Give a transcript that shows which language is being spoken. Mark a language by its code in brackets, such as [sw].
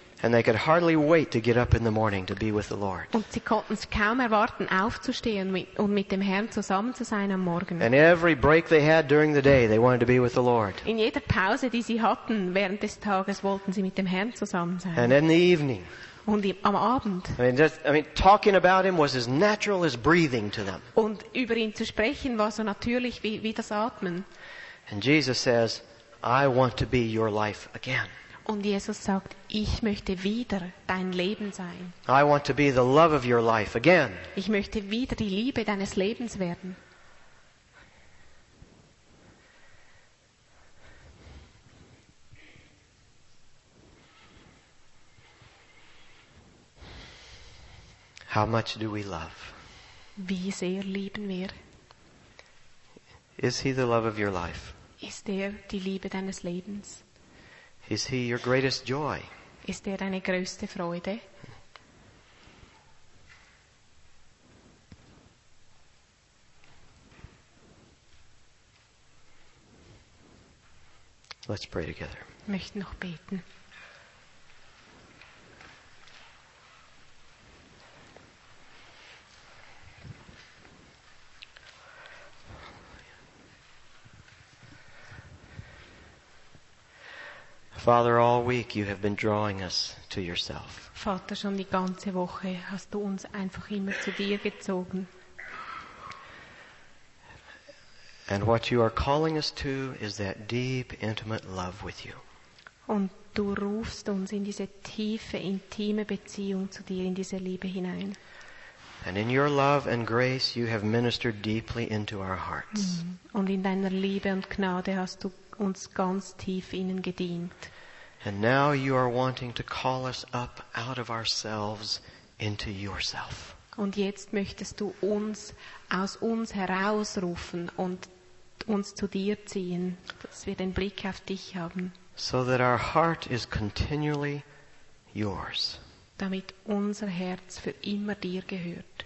[en] And they could hardly wait to get up in the morning to be with the Lord. [de] Und sie konnten es kaum erwarten, aufzustehen und mit dem Herrn zusammen zu sein am Morgen. [en] And every break they had during the day, they wanted to be with the Lord. [de] In jeder Pause, die sie hatten während des Tages, wollten sie mit dem Herrn zusammen sein. [en] And in the evening. [de] Und am Abend. [en] I mean, talking about him was as natural as breathing to them. [de] Und über ihn zu sprechen war so natürlich wie das Atmen. [en] And Jesus says, I want to be your life again. [de] Und Jesus sagt, ich möchte wieder dein Leben sein. [en] I want to be the love of your life again. [de] Ich möchte wieder die Liebe deines Lebens werden. [en] How much do we love? [de] Wie sehr lieben wir? [en] Is he the love of your life? [de] Ist die Liebe deines Lebens? [en] Is he your greatest joy? [de] Ist deine größte Freude? [en] Let's pray together. [de] Möchten noch beten. [en] Father, all week you have been drawing us to yourself. [de] Vater, schon die ganze Woche hast du uns einfach immer zu dir gezogen. [en] And what you are calling us to is that deep, intimate love with you. [de] Und du rufst uns in diese tiefe, intime Beziehung zu dir, in diese Liebe hinein. [en] And in your love and grace, you have ministered deeply into our hearts. [de] Und in deiner Liebe und Gnade hast du uns ganz tief innen gedient. [en] And now you are wanting to call us up out of ourselves into yourself. [de] Und jetzt möchtest du uns aus uns herausrufen und uns zu dir ziehen, dass wir den Blick auf dich haben. [en] So that our heart is continually yours. [de] Damit unser Herz für immer dir gehört.